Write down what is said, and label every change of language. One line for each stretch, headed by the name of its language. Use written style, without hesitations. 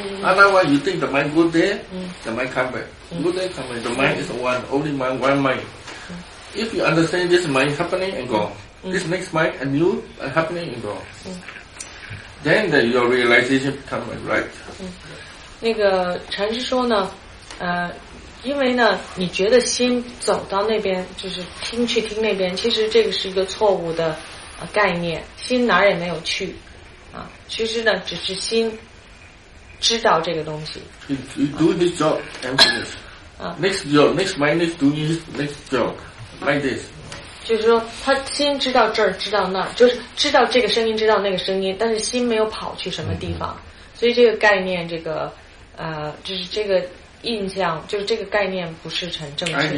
English: Otherwise, you think the mind go there, the mind come back. Go there, come back. The mind is one, only mind, one mind. If you understand this mind happening and gone, this next mind and new happening and gone, then the, your realization become right.
Chinese: 那个禅师说呢，因为呢你觉得心走到那边就是听去听那边，其实这个是一个错误的概念，心哪儿也没有去啊，其实呢只是心知道这个东西。
English: You do this job and finish. Next job, next mind is doing this next job like this.
Chinese: 就是说他心知道这儿知道那儿，就是知道这个声音知道那个声音，但是心没有跑去什么地方。所以这个概念这个就是这个印象就是这个概念不是很正确。